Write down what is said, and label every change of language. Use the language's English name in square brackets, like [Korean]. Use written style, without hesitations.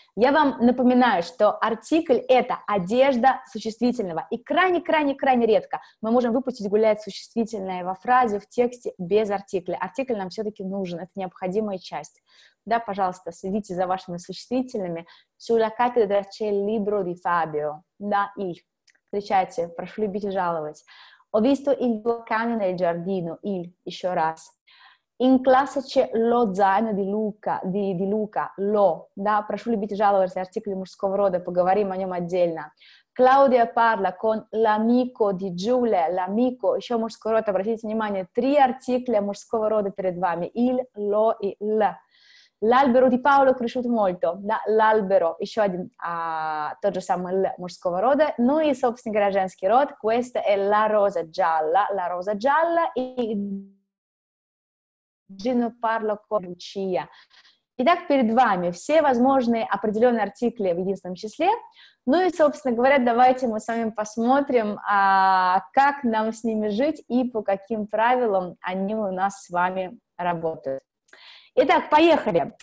[Russian] Я вам напоминаю, что артикль это одежда существительного. И крайне редко мы можем выпустить гулять существительное во фразе, в тексте без артикля. Артикль нам все-таки нужен, это необходимая часть. Да, пожалуйста, следите за вашими существительными. [Italian] Sulla cattedra c'è il libro di Fabio. [Russian] Да, il. Встречайте, прошу любить и жаловать. [Italian] Ho visto il tuo cane nel giardino, il, [Russian] еще раз. [Italian] In classe c'è lo zaino di Luca, di Luca, lo, [Russian] да, прошу любить и жаловать, артикль мужского рода, поговорим о нем отдельно. [Italian] Claudia parla con l'amico di Giulia, l'amico, [Russian] еще мужской род, обратите внимание, три артикля мужского рода перед вами, il, lo и l. [Italian] L'albero di Paolo è cresciuto molto, да? [Russian] L'albero, еще один, тот же самый мужского рода. Ну и, собственно говоря, женский род. [Italian] Questa è la rosa gialla, и Gino parlo con Lucia. [Russian] Итак, перед вами все возможные определенные артикли в единственном числе. Ну и, собственно говоря, давайте мы с вами посмотрим, как нам с ними жить и по каким правилам они у нас с вами работают. Итак, поехали.